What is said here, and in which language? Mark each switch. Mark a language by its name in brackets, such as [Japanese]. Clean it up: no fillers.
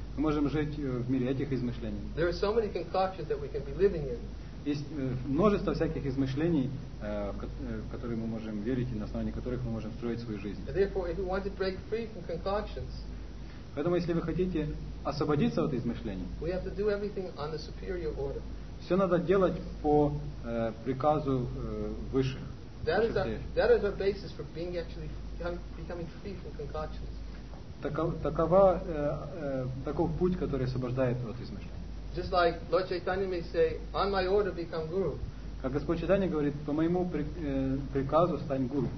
[Russian] Мы можем жить в мире этих измышлений. [English] There are so many concoctions that we can be living in. [Russian] Есть множество всяких измышлений, в которые мы можем верить и на основании которых мы можем строить свою жизнь. [English] Therefore, if you want to break free from concoctions, [Russian] поэтому если вы хотите освободиться от измышлений, [English] we have to do everything on the superior order. [Russian] Все надо делать по приказу высших. [English] That is our basis for being actually becoming free from concoctions. [Russian] Таков путь, который освобождает от измышлений. [English] Just like Lord Chaitanya may say, on my order become guru. [Russian] Как Господь Чайтанья говорит, по моему приказу стань гуру.